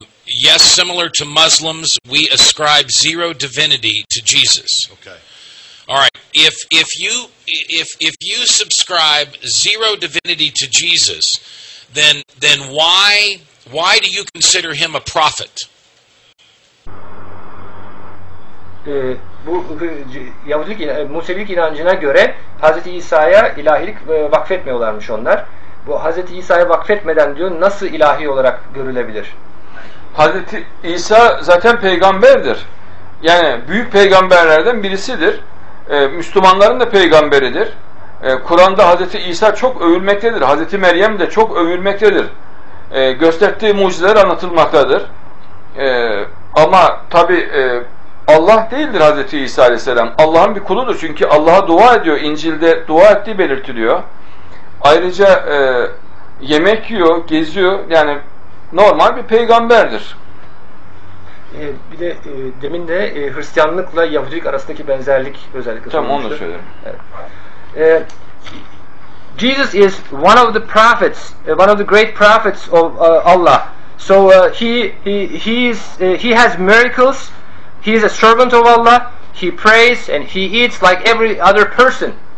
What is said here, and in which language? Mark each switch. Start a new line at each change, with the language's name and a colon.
English: Yes, similar to Muslims, we ascribe zero divinity to Jesus. Okay. All right, if you subscribe zero divinity to Jesus, then why do you consider him a prophet?
Turkish: Bu Yahudilik, Musevilik inancına göre Hazreti İsa'ya ilahilik vakfetmiyorlarmış onlar. Bu Hazreti İsa'ya vakfetmeden diyor, nasıl ilahi olarak görülebilir? Hazreti İsa zaten peygamberdir. Yani büyük peygamberlerden birisidir. Müslümanların da peygamberidir. Kur'an'da Hazreti İsa çok övülmektedir. Hazreti Meryem de çok övülmektedir. Gösterdiği mucizeler anlatılmaktadır. Ama tabii Allah değildir Hazreti İsa Aleyhisselam. Allah'ın bir kuludur. Çünkü Allah'a dua ediyor. İncil'de dua ettiği belirtiliyor. Ayrıca yemek yiyor, geziyor. Yani normal bir peygamberdir. Bir de demin de Hristiyanlıkla Yahudilik arasındaki benzerlik özellikle. Tamam, onu da söylüyorum.
English: Jesus is one of the prophets, one of the great prophets of Allah. So he has miracles. He is a servant of Allah. He prays and he eats like every other person.